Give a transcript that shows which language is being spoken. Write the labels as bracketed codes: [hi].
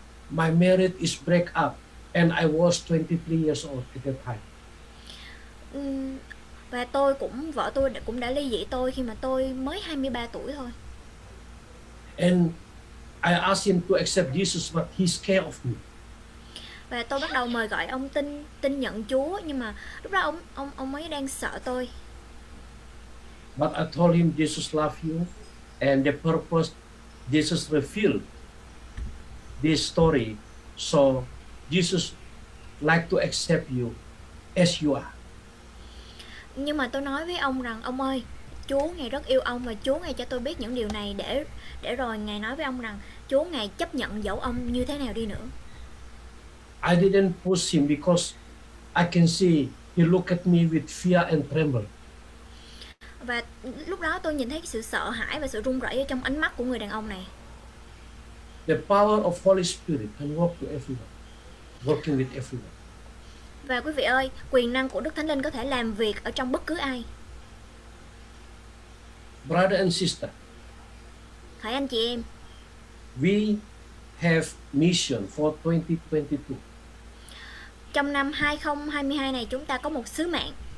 [en] My marriage is break up and I was 23 years old at the time. [vi] Và tôi cũng vợ tôi cũng đã ly dị tôi khi mà tôi mới 23 tuổi thôi. [en] And I asked him to accept Jesus but he scared of me. [vi] Và tôi bắt đầu mời gọi ông tin nhận Chúa nhưng mà lúc đó ông ấy đang sợ tôi. [en] But I told him Jesus loves you and the purpose Jesus revealed this story, so Jesus like to accept you as you are. [vi] Nhưng mà tôi nói với ông rằng ông ơi, Chúa ngài rất yêu ông và Chúa ngài cho tôi biết những điều này để rồi ngài nói với ông rằng Chúa ngài chấp nhận dẫu ông như thế nào đi nữa. [en] I didn't push him because I can see he looked at me with fear and tremble. [vi] Và lúc đó tôi nhìn thấy sự sợ hãi và sự run rẩy ở trong ánh mắt của người đàn ông này. [en] The power of Holy Spirit can work to everyone, working with everyone. [vi] Và quý vị ơi, quyền năng của Đức Thánh Linh có thể làm việc ở trong bất cứ ai. [en] Brother and sister, [vi] hãy anh chị em, [en] we have mission for 2022. [vi] Trong năm 2022 này chúng ta có một sứ mạng.